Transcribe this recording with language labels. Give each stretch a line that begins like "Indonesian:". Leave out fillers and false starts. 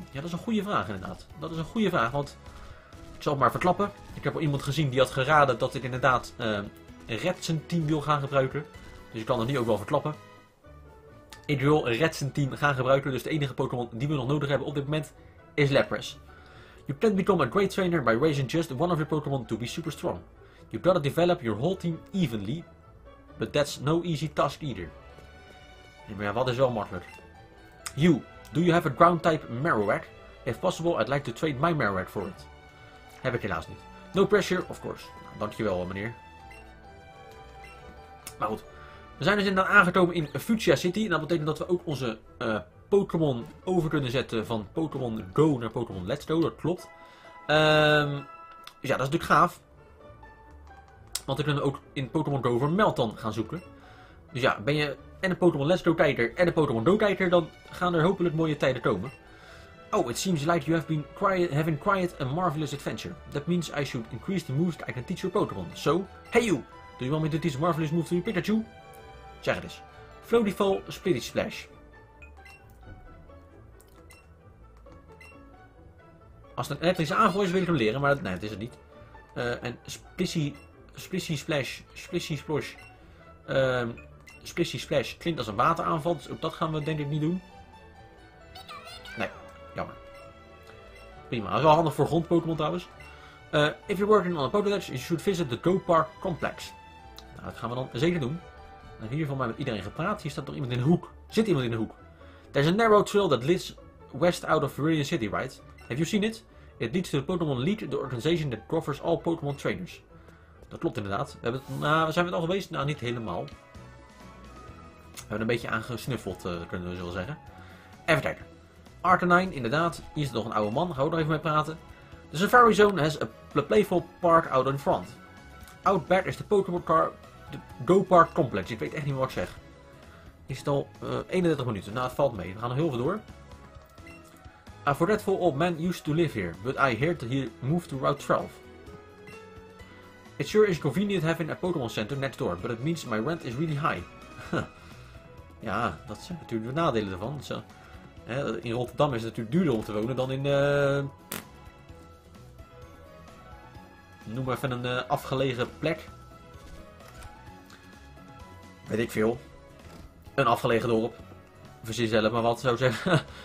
Dutch: Ja, dat is een goede vraag inderdaad. Dat is een goede vraag, want... Ik zal het maar verklappen. Ik heb al iemand gezien die had geraden dat ik inderdaad... Redsen team wil gaan gebruiken. Dus ik kan het nu ook wel verklappen. Ik wil Redsen team gaan gebruiken. Dus de enige Pokémon die we nog nodig hebben op dit moment...
English: Is Lepros. You can become a great trainer by raising just one of your Pokémon to be super strong. You've got to develop your whole team evenly, but that's no easy task either.
Dutch: En ja, wat is wel makkelijk?
English: You, do you have a ground type Marowak? If possible, I'd like to trade my Marowak for it.
Dutch: Heb ik helaas niet.
English: No pressure, of course.
Dutch: Nou, dankjewel, meneer. Maar goed, we zijn dus inderdaad aangekomen in Fuchsia City. En dat betekent dat we ook onze Pokémon over kunnen zetten van Pokémon Go naar Pokémon Let's Go. Dat klopt. Dus ja, dat is natuurlijk gaaf. Want dan kunnen we ook in Pokémon Go voor Meltan gaan zoeken. Dus ja, ben je en een Pokémon Let's Go-kijker en een Pokémon Go-kijker, dan gaan er hopelijk mooie tijden komen.
English: Oh, it seems like you have been having quite a marvelous adventure. That means I should increase the moves I can teach your Pokémon. So, hey you! Do you want me to teach a marvelous move to your Pikachu?
Dutch: Zeg het eens. Floaty Fall, Splitty Splash. Als het een elektrische aanval is, wil ik hem leren, maar nee, dat is het niet. En Splissy Splash klinkt als een wateraanval, dus ook dat gaan we denk ik niet doen. Nee, jammer. Prima, dat is wel handig voor grond-Pokémon trouwens.
English: If you're working on a Pokédex, you should visit the Go Park Complex.
Dutch: Nou, dat gaan we dan zeker doen. Dan heb ik hier van mij met iedereen gepraat. Hier staat nog iemand in de hoek. Zit iemand in de hoek?
English: There's a narrow trail that leads west out of Viridian City, right? Have you seen it? It leads to the Pokémon League, the organization that covers all Pokémon trainers.
Dutch: Dat klopt inderdaad. We hebben het, nou, zijn we het al geweest? Nou, niet helemaal. We hebben een beetje aangesnuffeld, kunnen we zo zeggen. Even kijken. Arcanine, inderdaad. Hier is nog een oude man. Gaan we er even mee praten.
English: The Safari Zone has a playful park out in front. Out back is the Pokémon Car, the Go Park Complex.
Dutch: Ik weet echt niet meer wat ik zeg. Is het al 31 minuten? Nou, het valt mee. We gaan nog heel veel door.
English: A forgetful old man used to live here, but I heard that he moved to Route 12. It sure is convenient having a Pokémon Center next door, but it means my rent is really high.
Dutch: Ja, dat zijn natuurlijk de nadelen ervan. Dus, in Rotterdam is het natuurlijk duurder om te wonen dan in... noem maar even een afgelegen plek. Weet ik veel. Een afgelegen dorp. Verzin zelf maar wat, zou ik zeggen.